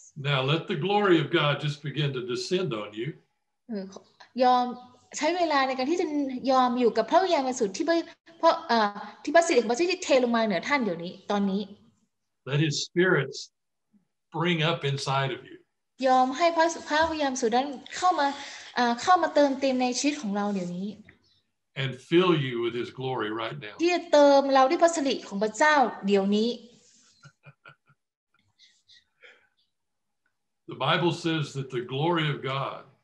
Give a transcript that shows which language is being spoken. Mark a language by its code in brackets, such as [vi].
[en] Now let the glory of God just begin to descend on you [th] ยอมใช้เวลาในการที่จะยอมอยู่กับพระวิญญาณบริสุทธิ์ที่พระสิริของพระเจ้าที่เทลงมาเหนือท่านเดี๋ยวนี้ตอนนี้ [en] Let His Spirit bring up inside of you. [th] ยอมให้พระวิญญาณสุดนั้นเข้ามาเติมเต็มในชีวิตของเราเดี๋ยวนี้ [en] And fill you with His glory right now. [th] ที่จะเติมเราด้วยพระสิริของพระเจ้าเดี๋ยวนี้ [en] The Bible says that the glory of God.